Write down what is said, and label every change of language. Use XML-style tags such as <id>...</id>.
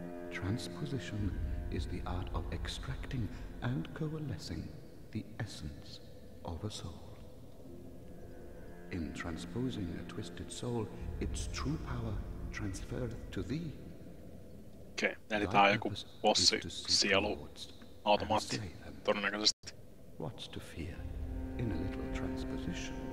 <en>Transposition is the art of extracting and coalescing the essence of a soul. In transposing a twisted soul, its true power transferreth to thee.</en> <fi>Okei, eli tää on joku bossi-sielu automaatti, todennäköisesti.</fi> <en>What's to fear in a little transposition</en>